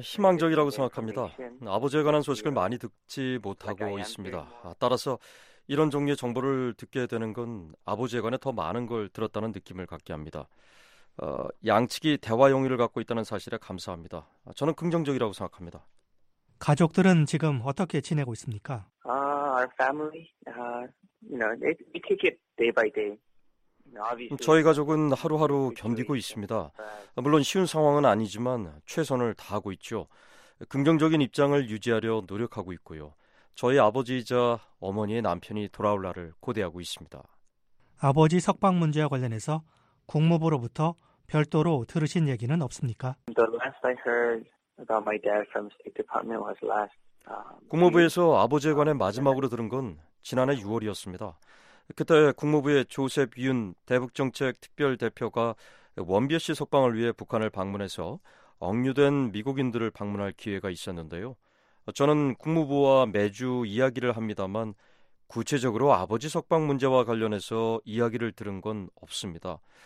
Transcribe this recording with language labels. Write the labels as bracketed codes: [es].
[ko] 희망적이라고 생각합니다. 아버지에 관한 소식을 많이 듣지 못하고 있습니다. 따라서 이런 종류의 정보를 듣게 되는 건 아버지에 관해 더 많은 걸 들었다는 느낌을 갖게 합니다. 양측이 대화 용의를 갖고 있다는 사실에 감사합니다. 저는 긍정적이라고 생각합니다. 가족들은 지금 어떻게 지내고 있습니까? [en] Our family, we take it day by day. [ko] 저희 가족은 하루하루 견디고 있습니다. 물론 쉬운 상황은 아니지만 최선을 다하고 있죠. 긍정적인 입장을 유지하려 노력하고 있고요. 저희 아버지이자 어머니의 남편이 돌아올 날을 고대하고 있습니다. 아버지 석방 문제와 관련해서 국무부로부터 별도로 들으신 얘기는 없습니까? [en] The last I heard about my dad from the State Department was last. [ko] 국무부에서 아버지에 관해 마지막으로 들은 건 지난해 6월이었습니다. 그때 국무부의 조셉 윤 대북정책특별대표가 원비어 씨 석방을 위해 북한을 방문해서 억류된 미국인들을 방문할 기회가 있었는데요. 저는 국무부와 매주 이야기를 합니다만 구체적으로 아버지 석방 문제와 관련해서 이야기를 들은 건 없습니다.